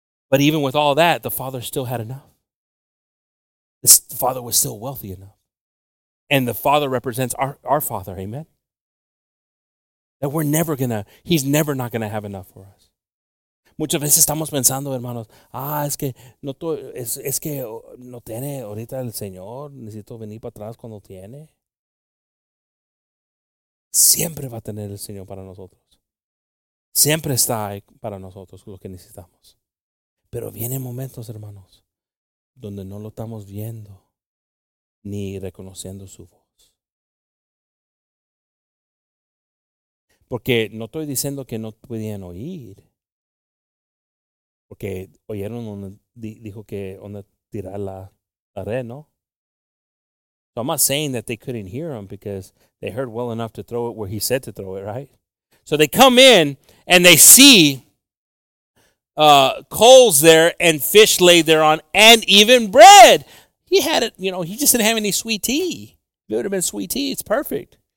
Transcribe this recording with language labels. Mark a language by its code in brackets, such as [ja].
[en] But even with all that, the father still had enough. The father was still wealthy enough. And the father represents our father, amen? That we're never going to, he's never not going to have enough for us. [es] Muchas veces estamos pensando, hermanos, es que no tiene ahorita el Señor, necesito venir para atrás cuando tiene. Siempre va a tener el Señor para nosotros. Siempre está ahí para nosotros lo que necesitamos. Pero vienen momentos, hermanos, donde no lo estamos viendo ni reconociendo su voz. Porque no estoy diciendo que no podían oír. Porque oyeron donde dijo que donde tirar la red, ¿no? [en] So I'm not saying that they couldn't hear him because they heard well enough to throw it where he said to throw it, right? So they come in and they see coals there and fish laid thereon and even bread. He had it, you know, he just didn't have any sweet tea. If it would have been sweet tea, it's perfect.